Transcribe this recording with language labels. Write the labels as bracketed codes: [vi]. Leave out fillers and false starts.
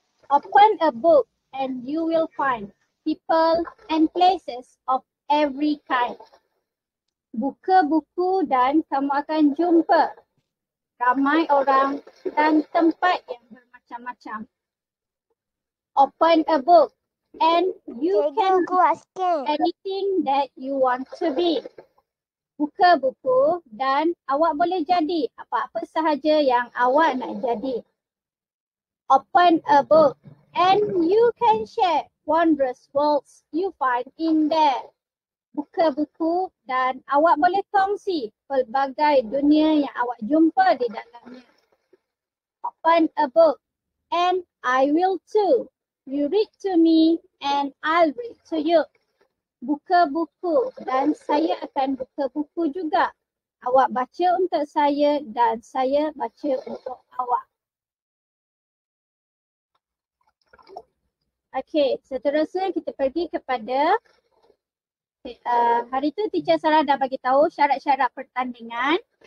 [en] Open a book and you will find people and places of every kind. [ms] Buka buku dan kamu akan jumpa ramai orang dan tempat yang bermacam-macam. [en] Open a book and you can be anything that you want to be. [ms] Buka buku dan awak boleh jadi apa-apa sahaja yang awak nak jadi. [en] Open a book and you can share wondrous worlds you find in there. [ms] Buka buku dan awak boleh kongsi pelbagai dunia yang awak jumpa di dalamnya. [en] Open a book and I will too. You read to me and I'll read to you. [ms] Buka buku dan saya akan buka buku juga. Awak baca untuk saya dan saya baca untuk awak. Okay, seterusnya kita pergi kepada hari tu teacher Sarah dah bagi tahu syarat-syarat pertandingan.